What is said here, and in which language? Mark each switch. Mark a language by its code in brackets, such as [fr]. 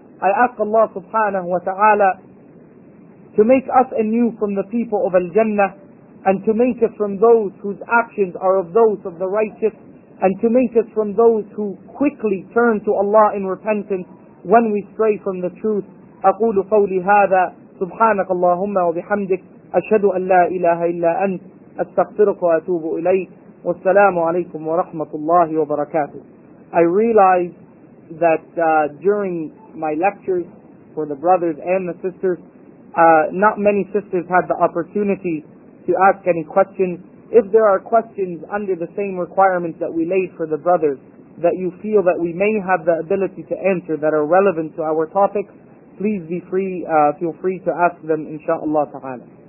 [en] I ask Allah subhanahu wa ta'ala to make us anew from the people of Al-Jannah and to make us from those whose actions are of those of the righteous and to make us from those who quickly turn to Allah in repentance when we stray from the truth. [ar] أقول قولي هذا سبحانك اللهم وبحمدك أشهد أن لا إله إلا أنت أستغفرك وأتوب إليك والسلام عليكم ورحمة الله وبركاته. [en] I realize that during my lectures for the brothers and the sisters, not many sisters had the opportunity to ask any questions. If there are questions under the same requirements that we laid for the brothers that you feel that we may have the ability to answer that are relevant to our topic, please be free, feel free to ask them, inshaAllah ta'ala.